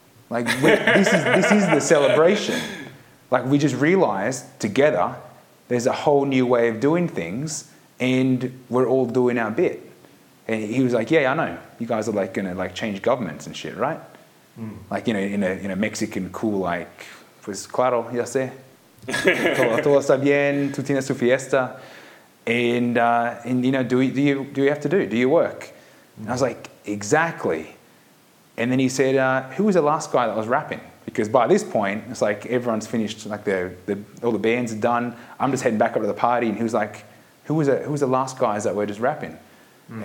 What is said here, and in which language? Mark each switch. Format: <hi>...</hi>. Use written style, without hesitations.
<en>Like, this is the celebration. Like, we just realized together there's a whole new way of doing things and we're all doing our bit. And he was like, yeah, I know. You guys are like gonna like change governments and shit, right? Mm. Like, you know, in a Mexican cool, like,</en> <es>pues claro, ya sé. Todo está bien, tú tienes tu fiesta.</es> <en>And you know, do you have to do? Do you work? And I was like, exactly. And then he said, who was the last guy that was rapping? Because by this point, it's like everyone's finished, like all the bands are done. I'm just heading back up to the party. And he was like, who was the last guys that were just rapping? Mm.</en>